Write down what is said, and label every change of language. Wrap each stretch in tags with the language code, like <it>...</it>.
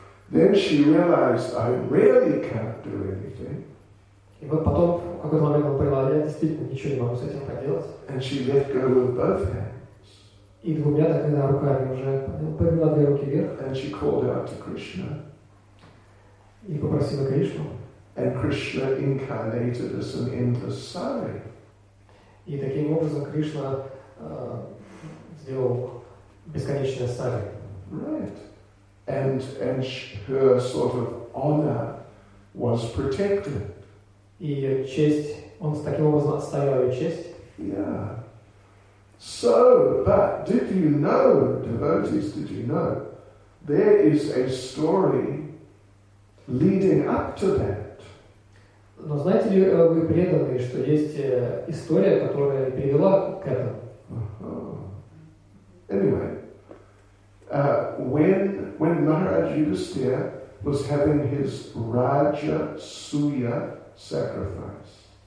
<en>Then she realized, I really can't do anything.</en> <ru>И вот потом, в какой-то момент, она поняла, я действительно ничего не могу с этим поделать.</ru> <en>And she let go with both hands.</en> <ru>И двумя тогда руками уже подняла две руки вверх.</ru> <en>And she called out to Krishna.</en> <ru>И попросила Кришну.</ru> <en>And Krishna incarnated as an endless sari.</en> <ru>И таким образом Кришна сделал бесконечное сари.</ru> <en>Right. And her sort of honor was protected.</en> <ru>И честь, он таким образом отстаивал ее честь.</ru> <en>Yeah. So, but did you know, devotees, did you know, there is a story leading up to that.</en> <ru>Но знаете ли вы, преданные, что есть история, которая привела к этому?</ru> <en>Anyway, when Maharaj Yudhisthira was having his Raja Suya sacrifice.</en>